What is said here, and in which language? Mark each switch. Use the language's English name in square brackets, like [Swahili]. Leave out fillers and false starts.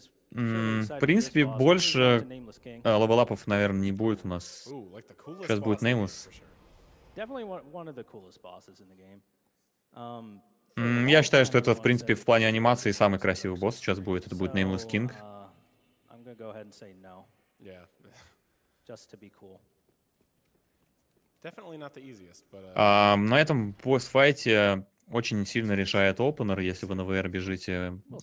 [Russian] В принципе, больше левелапов, наверное, не будет у нас. Сейчас будет Nameless. [English] Definitely one of the coolest bosses in the game. [Russian] Я считаю, что это, в принципе, в плане анимации самый красивый босс сейчас будет. Это будет [English] Nameless King. I'm gonna go ahead and say no. Yeah. Just to be cool. Definitely not the easiest, but. [Russian] На этом босс-файте очень сильно решает опенер, если вы на VR бежите.